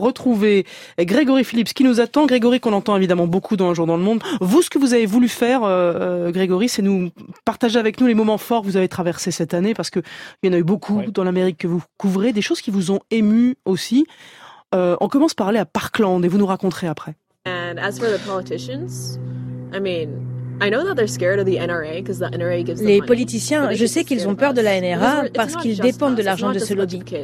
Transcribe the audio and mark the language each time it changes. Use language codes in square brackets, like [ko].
[fr] Retrouvez Grégory Philips qui nous attend. Grégory, qu'on entend évidemment beaucoup dans Un jour dans le monde. Vous, ce que vous avez voulu faire, Grégory, c'est nous partager avec nous les moments forts que vous avez traversés cette année, parce qu'il y en a eu beaucoup dans l'Amérique que vous couvrez, des choses qui vous ont ému aussi. On commence par aller à Parkland et vous nous raconterez après. [en] And as for the politicians, I mean, I know that they're scared of the NRA because the NRA gives them [fr] les politiciens, je sais qu'ils ont peur de la NRA parce qu'ils dépendent de l'argent de ce lobby.